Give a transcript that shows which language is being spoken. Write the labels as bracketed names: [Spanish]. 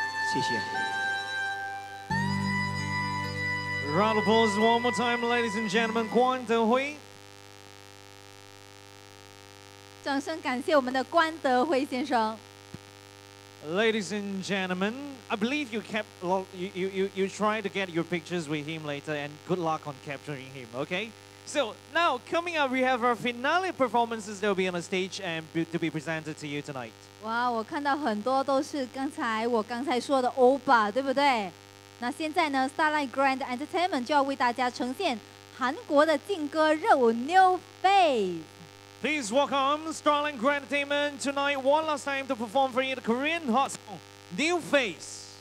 [Chinese] 谢谢。 [English] Round of applause one more time, ladies and gentlemen, 关德辉。 [Chinese] 掌声感谢我们的关德辉先生。 [English] Ladies and gentlemen, I believe you tried to get your pictures with him later, and good luck on capturing him, okay? So now, coming up, we have our finale performances that will be on the stage and to be presented to you tonight. [Chinese] Wow, 我看到很多都是我刚才说的欧巴，对不对？那现在呢 ，Starlight Grand Entertainment 就要为大家呈现韩国的劲歌热舞 New Faith。 [English] Please welcome Starlight Grand Entertainment tonight one last time to perform for you the Korean hot song New Face.